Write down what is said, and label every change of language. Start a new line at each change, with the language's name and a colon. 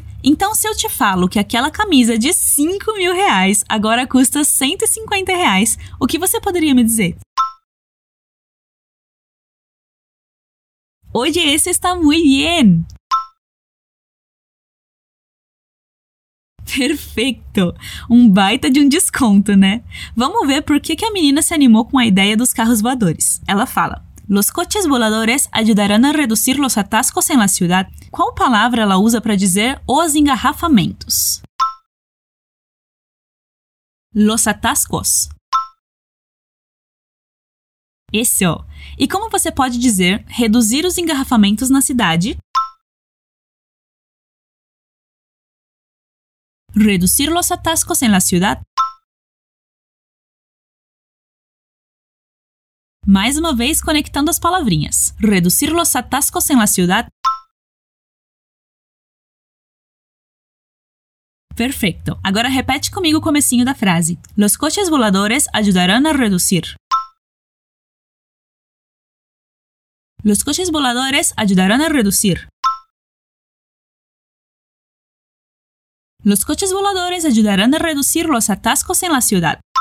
Portuguese: Então, se eu te falo que aquela camisa de 5 mil reais agora custa 150 reais, o que você poderia me dizer?
Spanish: Oye, ese está muy bien!
Portuguese: Perfeito! Um baita de um desconto, né? Vamos ver por que a menina se animou com a ideia dos carros voadores. Ela fala...
Spanish: Los coches voladores ayudarán a reducir los atascos en la ciudad.
Portuguese: Qual palavra ela usa para dizer os engarrafamentos?
Spanish: Los atascos.
Portuguese: Esse, ó. E como você pode dizer reduzir os engarrafamentos na cidade?
Spanish: Reducir los atascos en la ciudad.
Portuguese: Mais uma vez, conectando as palavrinhas.
Spanish: Reducir los atascos en la ciudad.
Portuguese: Perfeito. Agora repete comigo o comecinho da frase.
Spanish: Los coches voladores ayudarán a reducir. Los coches voladores ayudarán a reducir. Los coches voladores ayudarán a reducir los atascos en la ciudad.